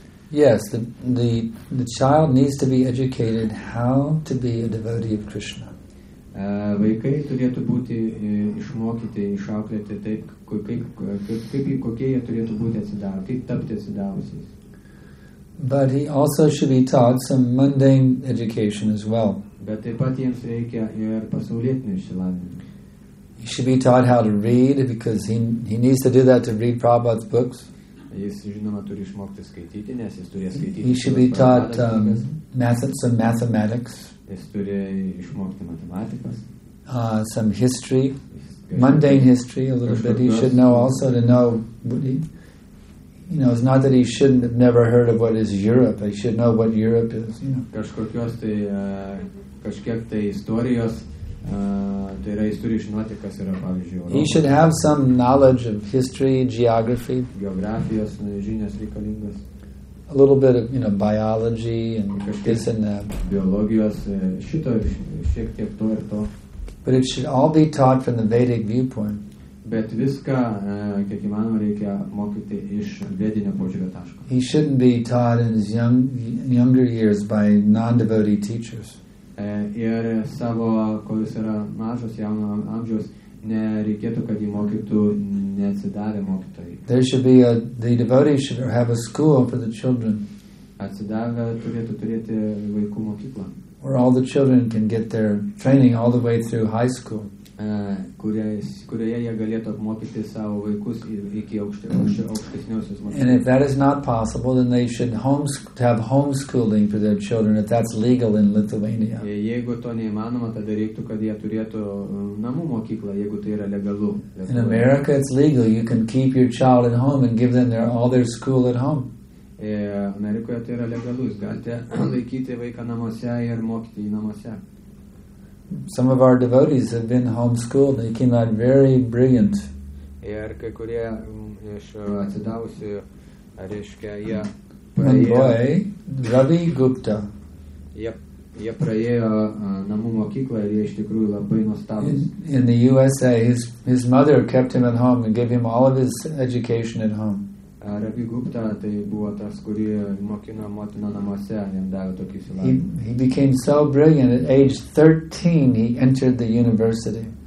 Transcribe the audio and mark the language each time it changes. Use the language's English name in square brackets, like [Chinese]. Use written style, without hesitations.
[English] Yes, the child needs to be educated how to be a devotee of Krishna. [Lithuanian] Vaikai turėtų būti išmokyti, išauklėti taip, kokie jie turėtų būti atsidavę, kaip tapti atsidavusiais. [English] But he also should be taught some mundane education as well. [Lithuanian] Bet taip pat jiems reikia ir pasaulietinio išsilavinimo. [English] He should be taught how to read, because he needs to do that to read Prabhupada's books. [Lithuanian] Jis, žinoma, turi išmokti skaityti, nes jis turi skaityti. [English] He should be taught some mathematics. [Lithuanian] Jis turi išmokti matematikos. [English] Some history, mundane history, a little bit. He should know also to know, you know, it's not that he shouldn't have never heard of what is Europe. He should know what Europe is, you know. [Lithuanian] Kažkokios tai, kažkiek tai istorijos, tai yra, jis turi žinoti, kas yra, pavyzdžiui, Europa. [English] He should have some knowledge of history, geography. [Lithuanian] Geografijos žinios reikalingos. [English] A little bit of, you know, biology and this and that. [Lithuanian] Biologijos, šito šiek tiek to ir to. [English] But it should all be taught from the Vedic viewpoint. [Lithuanian] Bet viską, kiek įmanoma, reikia mokyti iš vedinio požiūrio taško. [English] He shouldn't be taught in his younger years by non-devotee teachers. [Lithuanian] Ir savo, kol jis yra mažas, jauno amžiaus, nereikėtų, kad jį mokytų neatsidavę mokytojai. [English] There should be the devotee should have a school for the children. [Lithuanian] Atsidavę turėtų turėti vaikų mokyklą. [English] Where all the children can get their training all the way through high school. [Lithuanian] Kurioje jie galėtų apmokyti savo vaikus iki aukštesniosios mokyklos. [English] And if that is not possible, then they should have homeschooling for their children, if that's legal in Lithuania. [Lithuanian] Jeigu to neįmanoma, tada reiktų, kad jie turėtų namų mokyklą, jeigu tai yra legalu. [English] In America, it's legal. You can keep your child at home and give them all their school at home. [Lithuanian] Amerikoje tai yra legalu. Jūs galite laikyti vaiką namuose ir mokyti jį namuose. [English] Some of our devotees have been homeschooled. They came out very brilliant. [Lithuanian] Ir kai kurie iš atsidavusių, reiškia, jie praėjo. [English] One boy, Ravi Gupta. [Lithuanian] Jie praėjo namų mokyklą ir jie iš tikrųjų labai nuostabus. [English] In the USA, his mother kept him at home and gave him all of his education at home. [Lithuanian] Ravi Gupta, tai buvo tas, kurį mokino motina namuose, jam davė tokį išsilavinimą. [English] He became so brilliant, at age 13 he entered the university.